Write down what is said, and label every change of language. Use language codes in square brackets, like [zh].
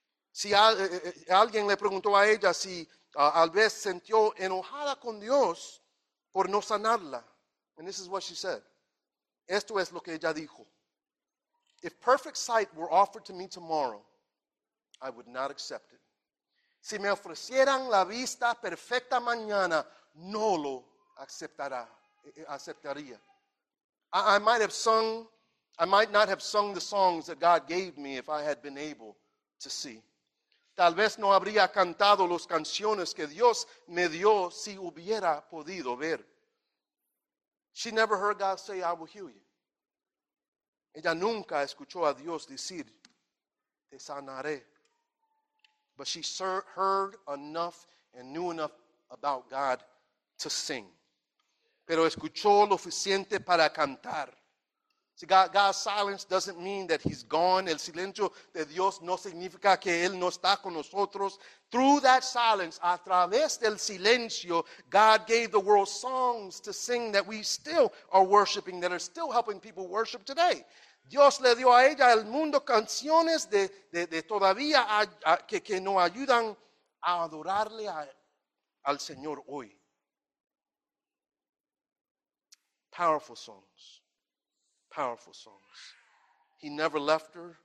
[es] Si alguien le preguntó a ella si al vez sintió enojada con Dios por no sanarla. [en] And this is what she said. [es] Esto es lo que ella dijo. [en] If perfect sight were offered to me tomorrow, I would not accept it. [es] Si me ofrecieran la vista perfecta mañana, no lo aceptaría. [en] I might not have sung the songs that God gave me if I had been able to see. [es] Tal vez no habría cantado las canciones que Dios me dio si hubiera podido ver. [en] She never heard God say, I will heal you. [es] Ella nunca escuchó a Dios decir, te sanaré. [en] But she heard enough and knew enough about God to sing. [es] Pero escuchó lo suficiente para cantar. [en] See, God's silence doesn't mean that he's gone. [es] El silencio de Dios no significa que él no está con nosotros. [en] Through that silence, [es] a través del silencio, [en] God gave the world songs to sing that we still are worshiping, that are still helping people worship today. [es] Dios le dio a ella el mundo canciones de todavía que nos ayudan a adorarle al Señor hoy. [en] Powerful songs. Powerful songs. He never left her.